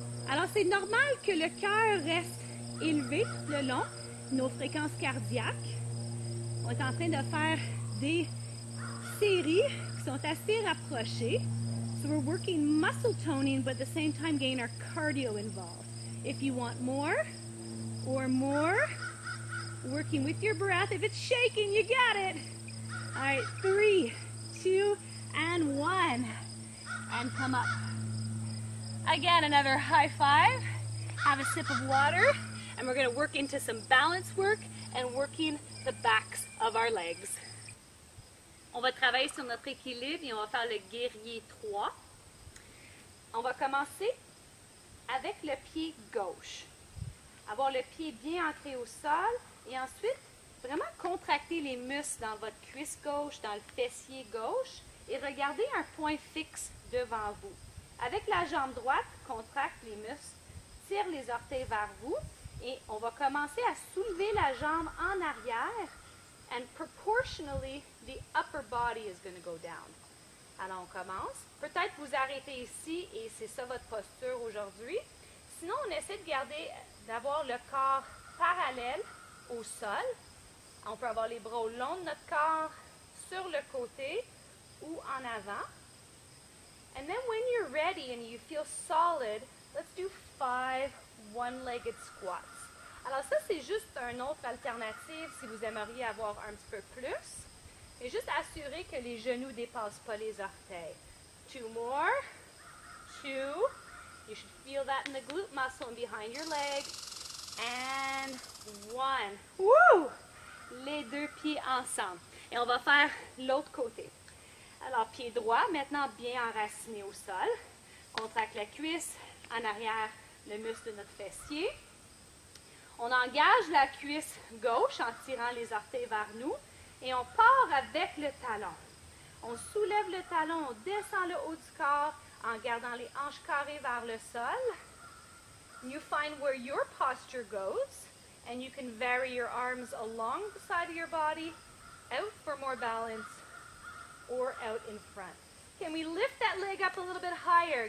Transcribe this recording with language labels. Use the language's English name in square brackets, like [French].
[French] Alors c'est normal que le cœur reste élevé tout le long, nos fréquences cardiaques. On est en train de faire des série qui sont assez rapprochées. [English] So we're working muscle toning, but at the same time getting our cardio involved. If you want more or more, working with your breath. If it's shaking, you got it. All right, 3, 2, and 1. And come up. Again, another high five. Have a sip of water. And we're going to work into some balance work and working the backs of our legs. [French] On va travailler sur notre équilibre et on va faire le guerrier 3. On va commencer avec le pied gauche. Avoir le pied bien ancré au sol et ensuite vraiment contracter les muscles dans votre cuisse gauche, dans le fessier gauche et regardez un point fixe devant vous. Avec la jambe droite, contracte les muscles, tire les orteils vers vous et on va commencer à soulever la jambe en arrière. [English] And proportionally, the upper body is going to go down. [French] Alors, on commence. Peut-être vous arrêtez ici et c'est ça votre posture aujourd'hui. Sinon, on essaie de garder, d'avoir le corps parallèle au sol. On peut avoir les bras au long de notre corps, sur le côté ou en avant. [English] And then when you're ready and you feel solid, let's do 5 one-legged squats. [French] Alors ça, c'est juste une autre alternative si vous aimeriez avoir un petit peu plus. Et juste assurer que les genoux ne dépassent pas les orteils. [English] 2 more. 2. You should feel that in the glute muscle and behind your leg. And 1. [French] Woo! Les deux pieds ensemble. Et on va faire l'autre côté. Alors, pied droit, maintenant bien enraciné au sol. Contracte la cuisse, en arrière, le muscle de notre fessier. On engage la cuisse gauche en tirant les orteils vers nous. Et on part avec le talon. On soulève le talon, on descend le haut du corps en gardant les hanches carrées vers le sol. [English] You find where your posture goes. And you can vary your arms along the side of your body. Out for more balance. Or out in front. Can we lift that leg up a little bit higher?